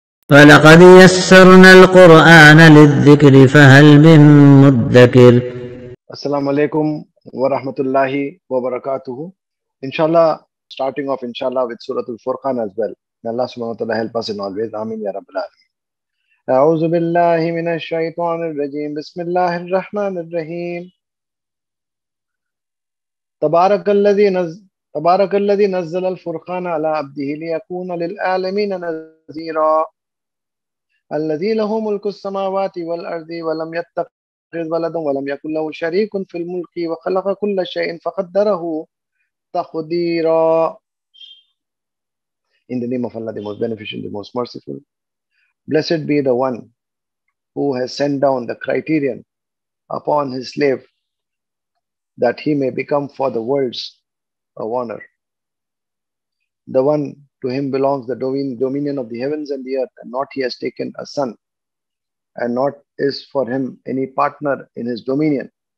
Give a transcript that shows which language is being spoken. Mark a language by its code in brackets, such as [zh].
[ar] فلقد يسرنا القرآن للذكر فهل من مدكر. السلام عليكم ورحمة الله وبركاته. [en] Inshallah, starting off inshallah with Surah Furqan as well. May Allah subhanahu wa ta'ala help us in always. Ameen ya Rabbil Alameen. [ar] أعوذ بالله من الشيطان الرجيم بسم الله الرحمن الرحيم تبارك الذي نزل الفرقان على عبده ليكون للعالمين نذيرا الذي له ملك السماوات والأرض ولم يتخذ ولدا ولم يكن له شريك في الملك وخلق كل شيء فقدره تقديرا. [en] In the name of Allah, the most beneficent, the most merciful. Blessed be the one who has sent down the criterion upon his slave that he may become for the worlds a warner. The one to him belongs the dominion of the heavens and the earth, and not he has taken a son, and not is for him any partner in his dominion.